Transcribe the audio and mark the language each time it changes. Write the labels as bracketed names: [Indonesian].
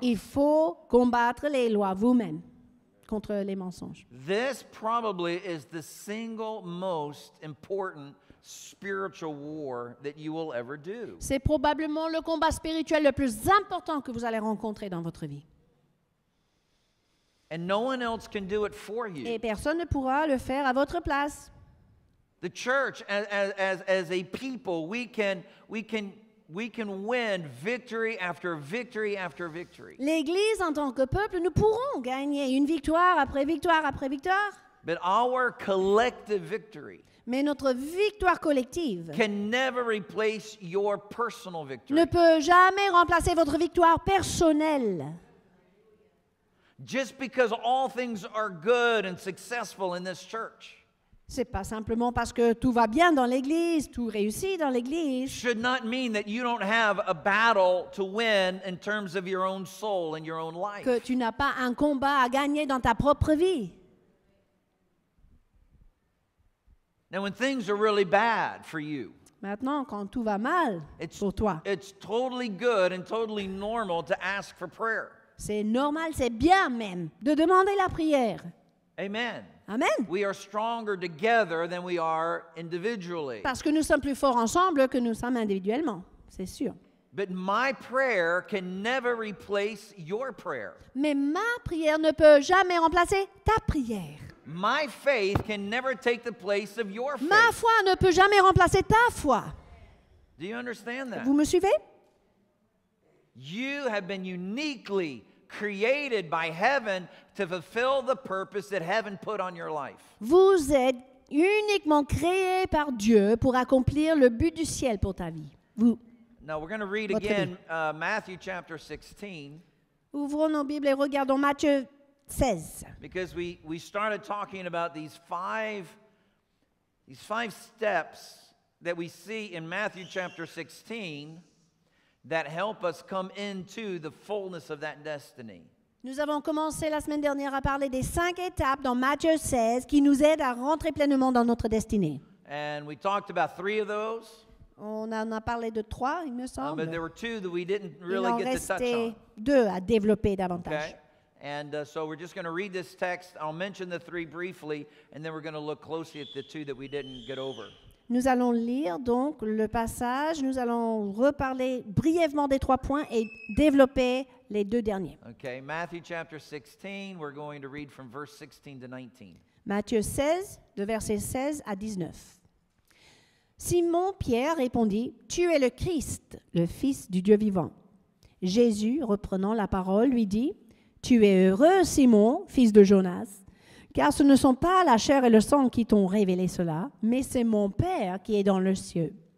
[French] Il faut combattre les lois vous-même contre les mensonges. [English] This probably is the single most important spiritual war that you will ever do. [French] C'est probablement le combat spirituel le plus important que vous allez rencontrer dans votre vie. [English] And no one else can do it for you. [French] Et personne ne pourra le faire à votre place. [English] The church, as a people, we can win victory after victory after victory. [French] L'Église, en tant que peuple, nous pourrons gagner une victoire après victoire après victoire. [English] But our collective victory. [French] Mais notre victoire collective. [English] Can never replace your personal victory. [French] Ne peut jamais remplacer votre victoire personnelle. [English] Just because all things are good and successful in this church. [French] C'est pas simplement parce que tout va bien dans l'église, tout réussit dans l'église. [English] Should not mean that you don't have a battle to win in terms of your own soul and your own life. [French] Que tu n'as pas un combat à gagner dans ta propre vie. [English] Now when things are really bad for you. [French] Maintenant, quand tout va mal pour toi. [English] It's totally good and totally normal to ask for prayer. [French] C'est normal, c'est bien même de demander la prière. [English] Amen. [French] Amen. [English] We are stronger together than we are individually. [French] Parce que nous sommes plus forts ensemble que nous sommes individuellement, c'est sûr. [English] But my prayer can never replace your prayer. [French] Mais ma prière ne peut jamais remplacer ta prière. [English] My faith can never take the place of your faith. [French] Ma foi ne peut jamais remplacer ta foi. [English] Do you understand that? [French] Vous me suivez? [English] You have been uniquely created by heaven to fulfill the purpose that heaven put on your life. [French] Vous êtes uniquement créé par Dieu pour accomplir le but du ciel pour ta vie. Vous. [English] Now we're going to read again Matthew chapter 16. [French] Ouvrons nos Bibles et regardons Matthieu 16. [English] Because we started talking about these five steps that we see in Matthew chapter 16. That help us come into the fullness of that destiny. [French] Nous avons commencé la semaine dernière à parler des cinq étapes dans Matthieu 16 qui nous aident à rentrer pleinement dans notre destinée. [English] And we talked about three of those. [French] On en a parlé de trois, il me semble. [English] But there were two that we didn't really get to touch on. [French] Il en restait deux à développer davantage. [English] Okay. And so we're just going to read this text. I'll mention the three briefly, and then we're going to look closely at the two that we didn't get over. [French] Nous allons lire donc le passage, nous allons reparler brièvement des trois points et développer les deux derniers. [English] Okay, Matthew chapter 16, we're going to read from verse 16 to 19. [French] Matthieu 16, de verset 16 à 19. Simon Pierre répondit, « Tu es le Christ, le Fils du Dieu vivant. » Jésus, reprenant la parole, lui dit, « Tu es heureux, Simon, fils de Jonas. » Car ce ne sont pas la chair et le sang qui t'ont révélé cela, mais c'est mon Père qui est dans le ciel.